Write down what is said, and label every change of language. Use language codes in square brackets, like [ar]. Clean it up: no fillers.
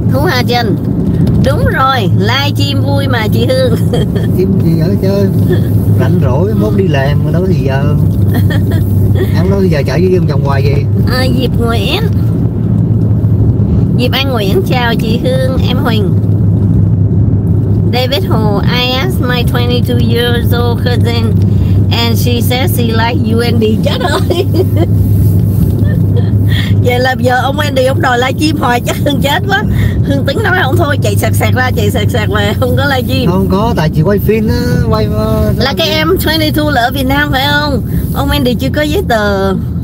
[vi] Thú Hà Trần, đúng rồi, live stream vui mà chị Hương. Stream gì ở chơi, rảnh rỗi, mốt đi làm, mà đâu thì giờ. Em nói giờ chạy với chồng hoài vậy? À, Diệp Nguyễn. Diệp An Nguyễn, chào chị Hương, em Huỳnh. [en] David Hồ, I asked my 22 years old cousin and she says she likes you Andy. [vi] Chết ơi. Vậy là giờ ông Andy ông đòi live stream hoài chắc Hương chết quá. Hương tính nói ông thôi chạy sạc sạc ra, chạy sạc sạc về không có live stream. Không có, tại chị quay phim á, quay là cái em 22 là ở Việt Nam phải không? Ông Andy chưa có giấy tờ.